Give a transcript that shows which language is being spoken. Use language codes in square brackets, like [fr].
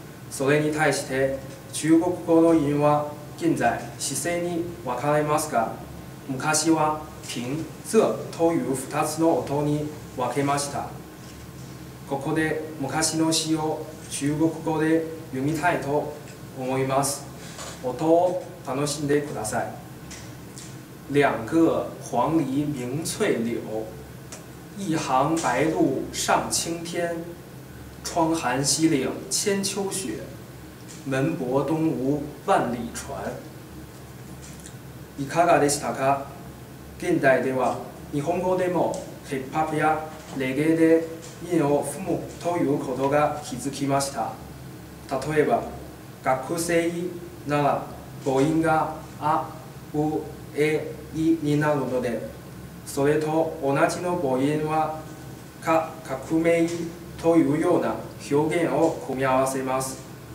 [ja] それに対して中国語の韻は現在姿勢に分かれますが、昔は平仄という2つの音に分けました。ここで昔の詩を中国語で読みたいと思います。音を楽しんでください。 [zh] 两个黄鹂鸣翠柳，一行白鹭上青天，窗含西岭千秋雪，门泊东吴万里船。 [ja] いかがでしたか？現代では日本語でもヒップホップやレゲエで韻を踏むということが気づきました。例えば学生なら母音がアウエイになるので、それと同じの母音は革命というような表現を組み合わせます。